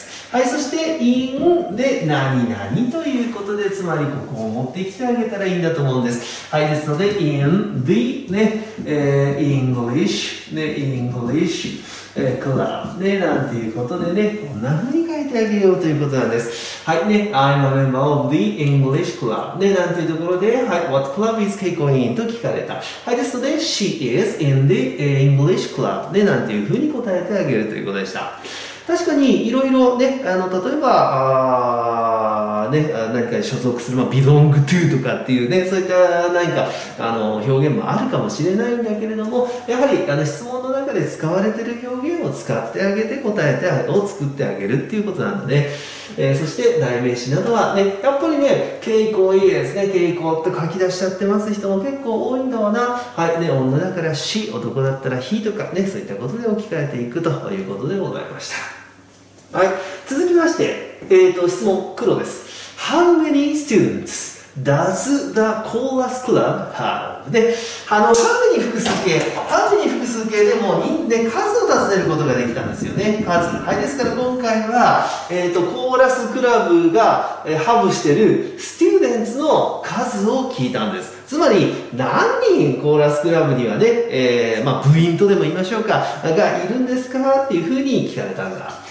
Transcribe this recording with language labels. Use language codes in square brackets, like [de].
[ja] はい、そして、in で、何々ということで、つまり、ここを持ってきてあげたらいいんだと思うんです。はい、ですので、in the、ね、English、ね、English club、ね、なんていうことでね、こんな風に書いてあげようということなんです。はい、ね、 [en] I'm a member of the English club、 [ja] ね、なんていうところで、はい、 [en] what club is Keiko in? [ja] と聞かれた。はい、ですので、 [en] she is in the English club、 [ja] ね、なんていう風に答えてあげるということでした。確かに、いろいろね、例えば、何かに所属する、まあ、belong to とかっていうね、そういった何か、表現もあるかもしれないんだけれども、やはり、質問の中で使われている表現を使ってあげて、答えて、を作ってあげるっていうことなんだね。そして、代名詞などはね、やっぱりね、傾向いいですね。傾向って書き出しちゃってます人も結構多いんだわな。はい、ね、女だから she、男だったら he とかね、そういったことで置き換えていくということでございました。はい、続きまして、質問黒です。 [en] How many students does the chorus club have? [ja] で、数に複数形でも、ね、数を尋ねることができたんですよね。数。はい、ですから今回は、コーラスクラブが、ハブしてるスチューデンツの数を聞いたんです。つまり、何人コーラスクラブにはね、まあ、部員とでも言いましょうか、がいるんですかっていうふうに聞かれたんだ。